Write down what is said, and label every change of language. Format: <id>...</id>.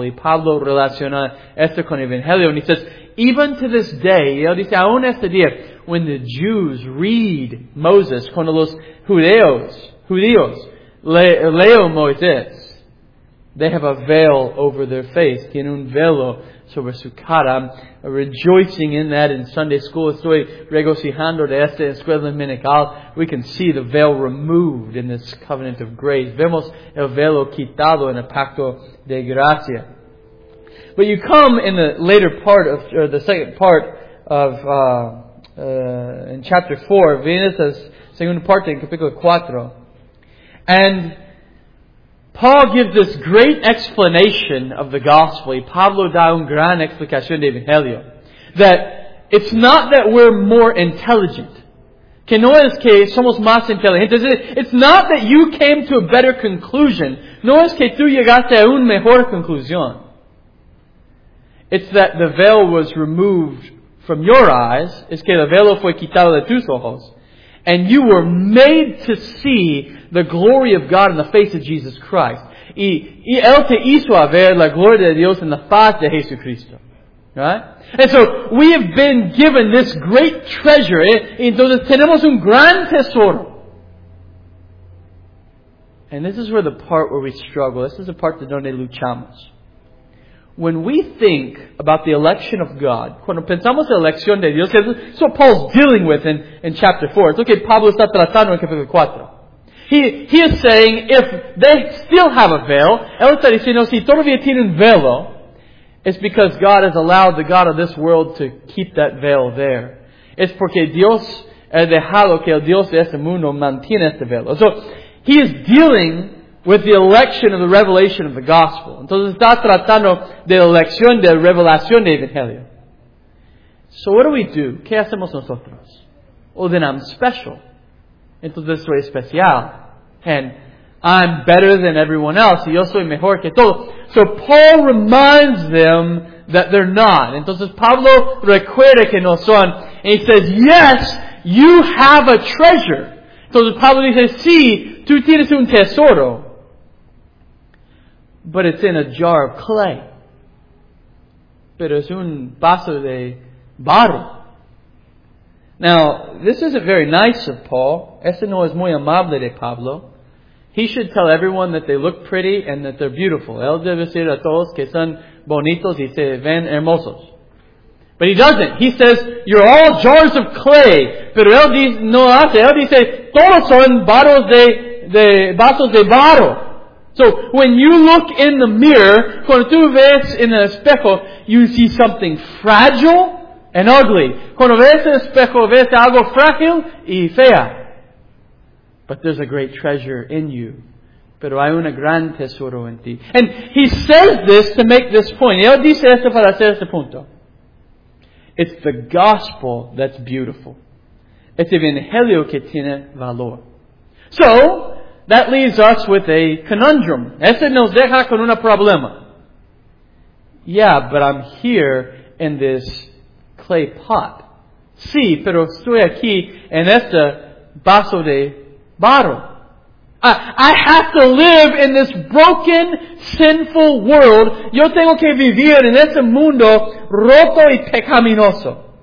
<es>Y Pablo relaciona esto con el evangelio.</es> <en>And he says, even to this day,</en> <es>él dice, aún este día,</es> <en>when the Jews read Moses,</en> <es>cuando los judíos leo Moisés,</es> <en>they have a veil over their face.</en> <es>Tiene un velo sobre su cara.</es> <en>I'm rejoicing in that in Sunday school.</en> <es>Estoy regocijando de esta escuela dominical.</es> <en>We can see the veil removed in this covenant of grace.</en> <es>Vemos el velo quitado en el pacto de gracia.</es> <en>But you come in the later part of, or the second part of, in chapter 4,</en> <es>vienes a segunda parte en capítulo 4.</es> <en>And Paul gives this great explanation of the gospel.</en> <es>Pablo da un gran explicación de Evangelio.</es> <en>That it's not that we're more intelligent.</en> <es>Que no es que somos más inteligentes.</es> <en>It's not that you came to a better conclusion.</en> <es>No es que tú llegaste a una mejor conclusión.</es> <en>It's that the veil was removed from your eyes.</en> <es>Es que el velo fue quitado de tus ojos.</es> <en>And you were made to see the glory of God in the face of Jesus Christ.</en> <es>Y él te hizo a ver la gloria de Dios en la faz de Jesucristo.</es> <en>Right? And so, we have been given this great treasure.</en> <es>Entonces, tenemos un gran tesoro.</es> <en>And this is where the part where we struggle. This is the part</en> <es>donde luchamos.</es> <en>When we think about the election of God,</en> <es>cuando pensamos en la elección de Dios,</es> <en>that's what Paul's dealing with in chapter 4. It's okay,</en> <es>Pablo está tratando en capítulo 4.</es> <en>He is saying, if they still have a veil,</en> <es>él está diciendo, si todavía tienen velo,</es> <en>it's because God has allowed the God of this world to keep that veil there.</en> <es>Es porque Dios ha dejado que el Dios de este mundo mantiene este velo.</es> <en>So, he is dealing with the election of the revelation of the gospel.</en> <es>Entonces está tratando de la elección de revelación de Evangelio.</es> <en>So what do we do?</en> <es>¿Qué hacemos nosotros?</es> <en>Well, then I'm special.</en> <es>Entonces soy especial.</es> <en>And I'm better than everyone else.</en> <es>Y yo soy mejor que todo.</es> <en>So Paul reminds them that they're not.</en> <es>Entonces Pablo recuerda que no son.</es> <en>And he says, yes, you have a treasure.</en> <es>Entonces Pablo dice, sí, tú tienes un tesoro.</es> <en>But it's in a jar of clay.</en> <es>Pero es un vaso de barro.</es> <en>Now, this isn't very nice of Paul.</en> <es>Este no es muy amable de Pablo.</es> <en>He should tell everyone that they look pretty and that they're beautiful.</en> <es>Él debe decir a todos que son bonitos y se ven hermosos.</es> <en>But he doesn't. He says, you're all jars of clay.</en> <es>Pero él dice, no hace. Él dice, todos son vasos de barro.</es> <en>So when you look in the mirror,</en> <es>cuando tú ves en el espejo,</es> <en>you see something fragile and ugly.</en> <es>Cuando ves en el espejo, ves algo frágil y fea.</es> <en>But there's a great treasure in you.</en> <es>Pero hay un gran tesoro en ti.</es> <en>And he says this to make this point.</en> <es>Él dice esto para hacer este punto.</es> <en>It's the gospel that's beautiful.</en> <es>Es evangelio que tiene valor.</es> <en>So, that leaves us with a conundrum.</en> <es>Ese nos deja con un problema.</es> <en>Yeah, but I'm here in this clay pot.</en> <es>Sí, pero estoy aquí en este vaso de barro.</es> <en>I have to live in this broken, sinful world.</en> <es>Yo tengo que vivir en este mundo roto y pecaminoso.</es>